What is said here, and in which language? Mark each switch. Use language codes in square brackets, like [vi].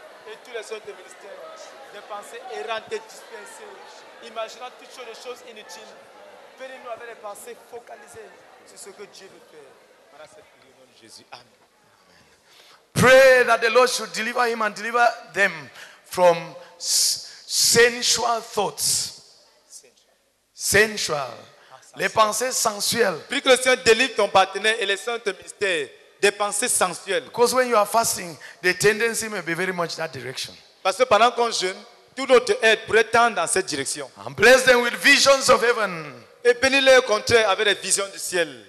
[fr] Et tous les autres ministères, des pensées errantes et dispersées, imaginant toutes choses, inutiles, venez-nous avec des pensées focalisées sur ce que Dieu veut faire. Par cette prière, au nom de Jésus. Amen. Amen. [en] pray that the Lord should deliver him and deliver them from sensual thoughts. [fr] Sensual. Les pensées sensuelles. Puis que le Seigneur délivre ton partenaire et le Saint-Esprit mystère des pensées sensuelles. [en] Because when you are fasting, the tendency may be very much that direction. [fr] Parce que pendant qu'on jeûne, tout notre être pourrait tendre dans cette direction. [en] And bless them with visions of heaven. [fr] Et bénis-le au contraire avec les visions du ciel.